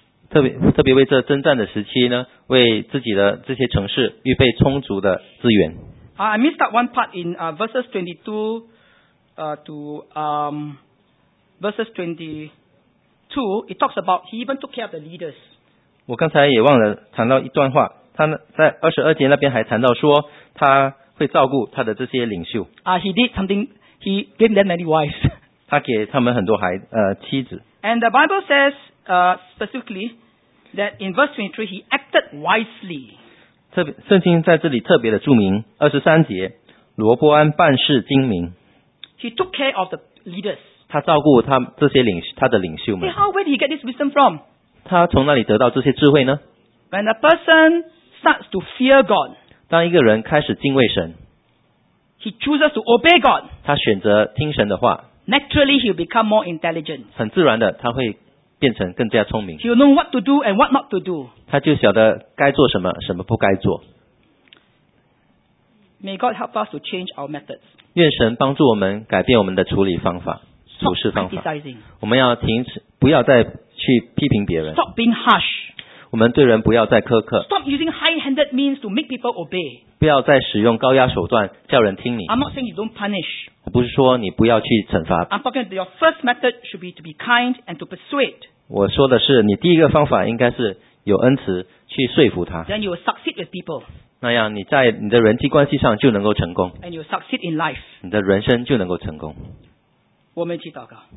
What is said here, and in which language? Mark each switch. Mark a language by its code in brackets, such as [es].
[zh] 特别为这征战的时期呢，为自己的这些城市预备充足的资源。 [en] I missed out one part in verses 22 verses 22, it talks about he even took care of the leaders. [zh] 我刚才也忘了谈到一段话，他在22节那边还谈到说他会照顾他的这些领袖。 [en] He did something, he gave them many wives. [zh] 他给他们很多孩妻子。 [en] And the Bible says, specifically, that in verse 23, he acted wisely. [zh] 圣经在这里特别的注明23节罗波安办事精明。 [en] He took care of the leaders. [zh] 他照顾他这些领袖，他的领袖们。 [en] See, how, where did he get this wisdom from? [zh] 他从哪里得到这些智慧呢？ [en] When a person starts to fear God, [zh] 当一个人开始敬畏神， [en] he chooses to obey God. [zh] 他选择听神的话。 [en] Naturally, he'll become more intelligent. [zh] 很自然的，他会变成更加聪明。 [en] He'll know what to do and what not to do. [zh] 他就晓得该做什么，什么不该做。 [en] May God help us to change our methods. [zh] 愿神帮助我们改变我们的处理方法、处事方法。我们要停止，不要再去批评别人。 [en] Stop being harsh. [zh] 我们对人不要再苛刻。 [en] Stop using high-handed means to make people obey. [zh] 不要再使用高压手段叫人听你。 [en] I'm not saying you don't punish. [zh] 我不是说你不要去惩罚。 [en] I'm talking about your first method should be to be kind and to persuade. [zh] 我说的是，你第一个方法应该是有恩慈去说服他。 [en] Then you will succeed with people. [zh] 那样你在你的人际关系上就能够成功， [en] and you succeed in life. [zh] 你的人生就能够成功。我们一起祷告。